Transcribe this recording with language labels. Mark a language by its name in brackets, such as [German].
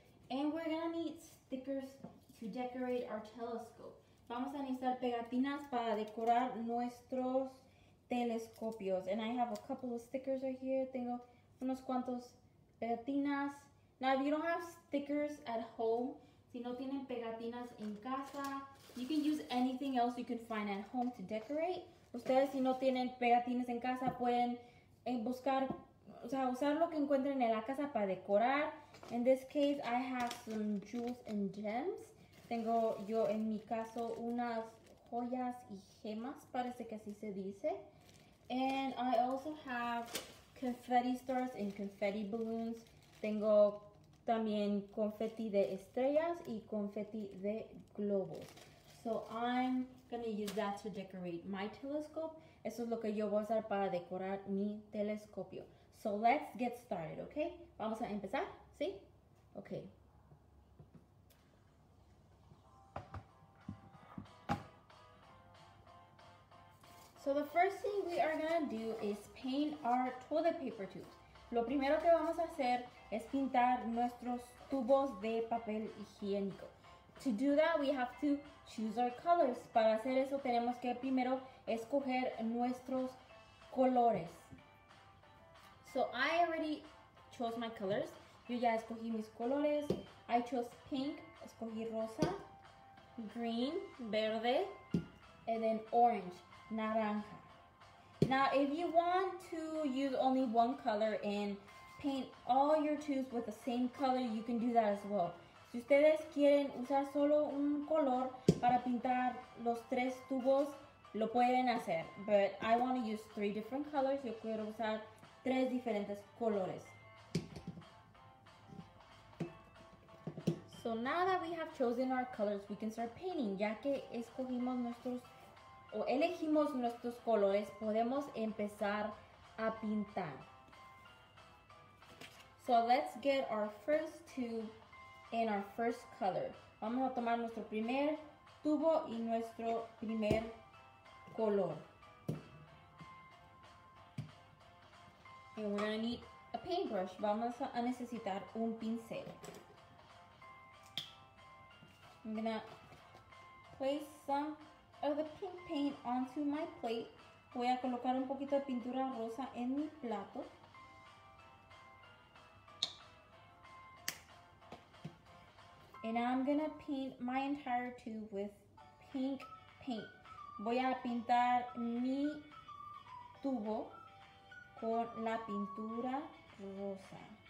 [English] And we're gonna need stickers to decorate our telescope. [Spanish] Vamos a necesitar pegatinas para decorar nuestros telescopios. [English] And I have a couple of stickers right here. [Spanish] Tengo unos cuantos pegatinas. [English] Now, if you don't have stickers at home, [Spanish] si no tienen pegatinas en casa, [English] you can use anything else you can find at home to decorate. [Spanish] Ustedes, si no tienen pegatinas en casa, pueden buscar, o sea, usar lo que encuentren en la casa para decorar. [English] In this case, I have some jewels and gems. [Spanish] Tengo yo en mi caso unas joyas y gemas, parece que así se dice. [English] And I also have confetti stars and confetti balloons. [Spanish] Tengo también confetti de estrellas y confetti de globos. [English] So I'm gonna use that to decorate my telescope. [Spanish] Eso es lo que yo voy a usar para decorar mi telescopio. [English] So let's get started, okay? [Spanish] Vamos a empezar. [English] See? Okay. So the first thing we are gonna do is paint our toilet paper tubes. [Spanish] Lo primero que vamos a hacer es pintar nuestros tubos de papel higiénico. [English] To do that, we have to choose our colors. [Spanish] Para hacer eso, tenemos que primero escoger nuestros colores. [English] So I already chose my colors. [Spanish] Yo ya escogí mis colores. [English] I chose pink, [Spanish] escogí rosa, [English] green, verde, and then orange, naranja. Now, if you want to use only one color and paint all your tubes with the same color, you can do that as well. [Spanish] Si ustedes quieren usar solo un color para pintar los tres tubos, lo pueden hacer. [English] But I want to use three different colors. [Spanish] Yo quiero usar tres diferentes colores. [English] So now that we have chosen our colors, we can start painting. [Spanish] Ya que escogimos nuestros, o elegimos nuestros colores, podemos empezar a pintar. [English] So let's get our first tube and our first color. [Spanish] Vamos a tomar nuestro primer tubo y nuestro primer color. [English] And we're gonna need a paintbrush. [Spanish] Vamos a necesitar un pincel. [English] I'm gonna place some of the pink paint onto my plate. [Spanish] Voy a colocar un poquito de pintura rosa en mi plato. [English] And now I'm gonna paint my entire tube with pink paint. [Spanish] Voy a pintar mi tubo con la pintura rosa.